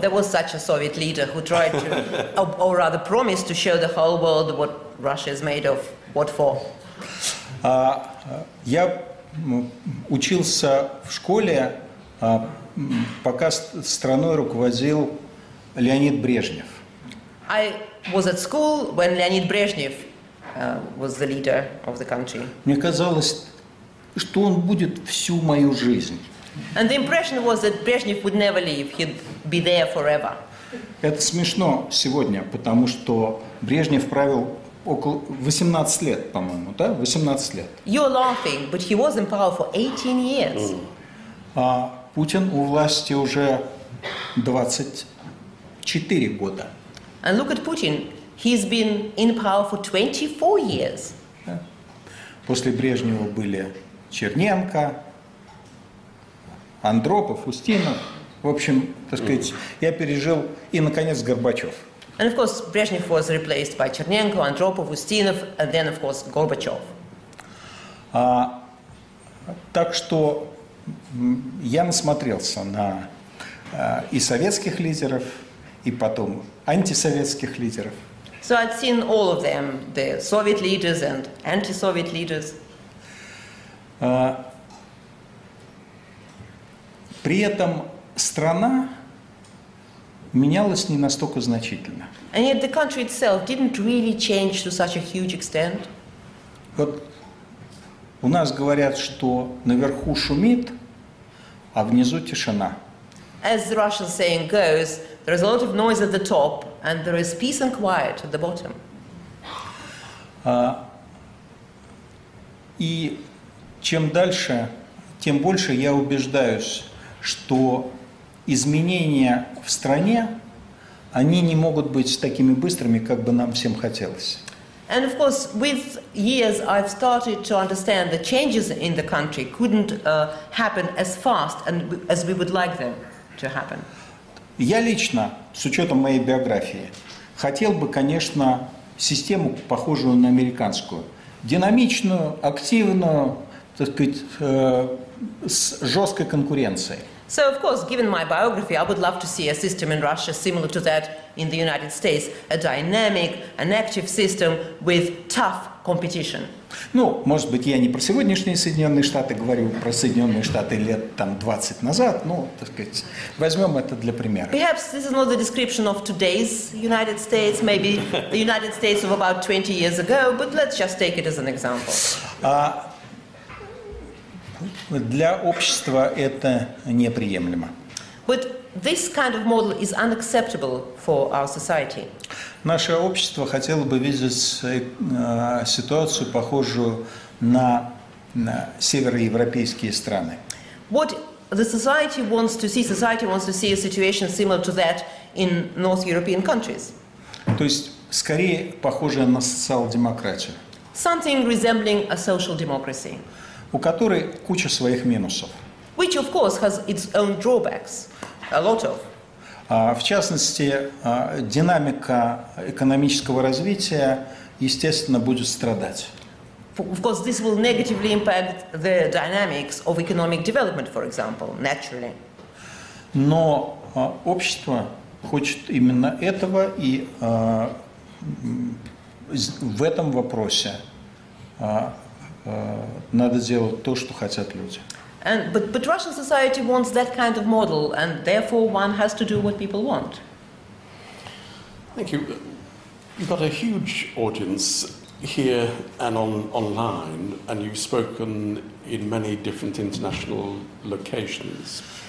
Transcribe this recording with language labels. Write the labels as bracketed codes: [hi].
[en] There was such a Soviet leader who tried to, or rather promised to show the whole world what Russia is made of, what for. [ru] Я учился в школе, пока страной руководил Леонид Брежнев. [en] I was at school when Леонид Брежнев was the leader of the country. [ru] Мне казалось, что он будет всю мою жизнь. [en] And the impression was that Brezhnev would never leave, he'd be there forever. [ru] Это смешно сегодня, потому что Брежнев правил около 18 лет, по-моему, да? 18 лет. [en] You're laughing, but he was in power for 18 years. [ru] А Путин у власти уже 24 года. [en] And look at Putin, he's been in power for 24 years. [ru] После Брежнева были Черненко, Андропов, Устинов. В общем, так сказать, я пережил и, наконец, Горбачев. [en] And of course, Brezhnev was replaced by Chernenko, Andropov, Ustinov, and then, of course, Gorbachev. [ru] Так что я насмотрелся на и советских лидеров, и потом антисоветских лидеров. [en] So I'd seen all of them, the Soviet leaders and anti-Soviet leaders. [ru] При этом страна менялась не настолько значительно. [en] And yet the country itself didn't really change to such a huge extent. [ru] Вот у нас говорят, что наверху шумит, а внизу тишина. [en] As the Russian saying goes, there is a lot of noise at the top, and there is peace and quiet at the bottom. [ru] И чем дальше, тем больше я убеждаюсь, что изменения в стране, они не могут быть такими быстрыми, как бы нам всем хотелось. [en] And of course, with years, I've started to understand that changes in the country couldn't happen as fast and as we would like them to happen. [ru] Я лично, с учетом моей биографии, хотел бы, конечно, систему, похожую на американскую, динамичную, активную, так сказать, с жесткой конкуренцией. [en] So, of course, given my biography, I would love to see a system in Russia similar to that in the United States, a dynamic, an active system with tough competition. [ru] Ну, может быть, я не про сегодняшние Соединенные Штаты говорю, про Соединенные Штаты лет там 20 назад, но, так сказать, возьмем это для примера. [en] Perhaps this is not the description of today's United States, maybe the United States of about 20 years ago, but let's just take it as an example. [ru] Для общества это неприемлемо. [en] But this kind of model is unacceptable for our society. [ru] Наше общество хотело бы видеть ситуацию, похожую на североевропейские страны. [en] What the society wants to see, society wants to see a situation similar to that in North European countries. [ru] То есть, скорее, похожая на социал-демократию. [en] Something resembling a social democracy. [ru] У которой куча своих минусов. [en] Which, of course, has its own drawbacks, a lot of. [ru] В частности, динамика экономического развития, естественно, будет страдать. [en] Of course, this will negatively impact the dynamics of economic development, for example, naturally. [ru] Но общество хочет именно этого, и в этом вопросе надо делать то, что хотят люди. [en] And, but Russian society wants that kind of model, and therefore one has to do what people want. Thank you. You've got a huge audience here and online, and you've spoken in many different international locations.